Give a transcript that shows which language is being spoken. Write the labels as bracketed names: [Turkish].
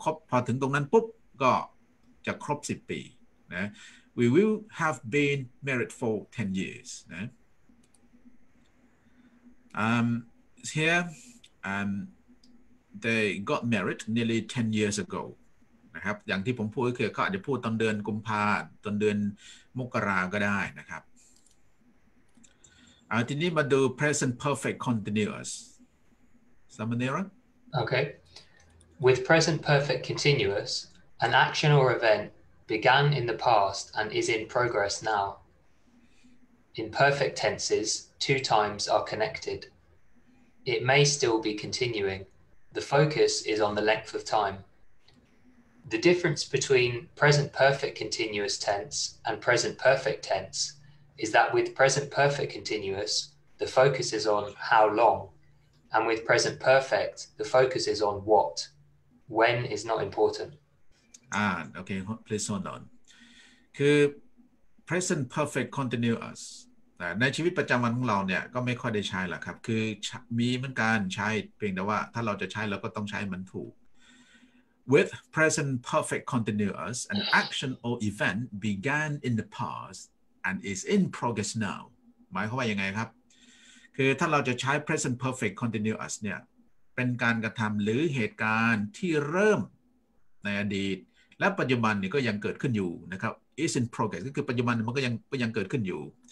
[Thai] พอถึงตรงนั้นปุ๊บก็จะครบ10ปีนะ [English] we will have been married for 10 years [Thai] นะ [English] here they got married nearly 10 years ago [Thai] นะครับอย่างที่ผมพูดก็คือเขาอาจจะพูดตอนเดือนกุมภาพันธ์ตอนเดือนมกราก็ได้นะครับทีนี้มาดู present perfect continuous Samanera [English] okay with present perfect continuousAn action or event began in the past and is in progress now. In perfect tenses, two times are connected. It may still be continuing. The focus is on the length of time. The difference between present perfect continuous tense and present perfect tense is that with present perfect continuous, the focus is on how long, and with present perfect, the focus is on what. When is not important. [Thai] โอเค [English] please hold on [Thai] คือ present perfect continuous ในชีวิตประจำวันของเราเนี่ยก็ไม่ค่อยได้ใช้หรอกครับคือมีเหมือนกันใช้เพียงแต่ว่าถ้าเราจะใช้เราก็ต้องใช้มันถูก [English] with present perfect continuous an action or event began in the past and is in progress now [Thai] หมายความว่ายังไงครับคือถ้าเราจะใช้ present perfect continuous เนี่ยเป็นการกระทำหรือเหตุการณ์ที่เริ่มในอดีตและปัจจุบันนี่ก็ยังเกิดขึ้นอยู่นะครับ is in progress ก็คือปัจจุบันมันก็ยังเกิดขึ้นอยู่